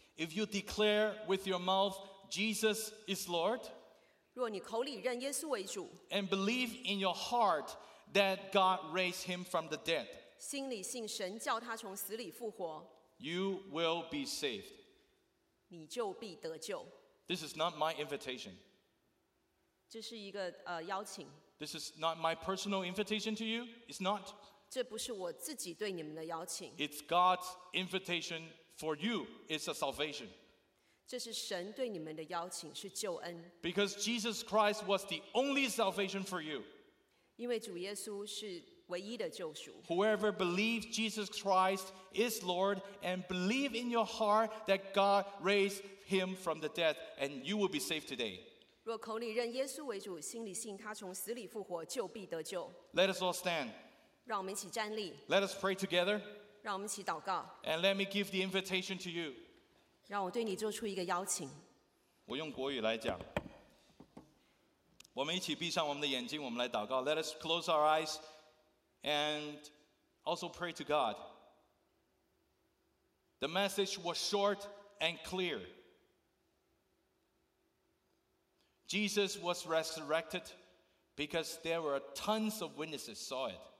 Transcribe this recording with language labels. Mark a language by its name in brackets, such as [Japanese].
[English] If you declare with your mouth Jesus is Lord. [Chinese] 若你口里认耶稣为主， [English] and believe in your heart that God raised him from the dead, [Chinese] 心里信神叫他从死里复活， [English] you will be saved. [Chinese] 你就必得救。 [English] This is not my invitation. [Chinese] 这是一个邀请。 [English] This is not my personal invitation to you. It's not. [Chinese] 这不是我自己对你们的邀请。 [English] It's God's invitation for you. It's a salvation. [Chinese] 这是神对你们的邀请，是救恩。 [English] Because Jesus Christ was the only salvation for you. [Chinese] 因为主耶稣是唯一的救赎。 [English] Whoever believes Jesus Christ is Lord and believe in your heart that God raised him from the dead, and you will be saved today. [Chinese] 若口里认耶稣为主，心里信他从死里复活，就必得救。 [English] Let us all stand. [Chinese] 让我们一起站立。 [English] Let us pray together. [Chinese] 让我们一起祷告。 [English] And let me give the invitation to you. [Chinese] 让我对你做出一个邀请。我用国语来讲。我们一起闭上我们的眼睛，我们来祷告。 [English] Let us close our eyes and also pray to God. The message was short and clear. Jesus was resurrected because there were tons of witnesses saw it.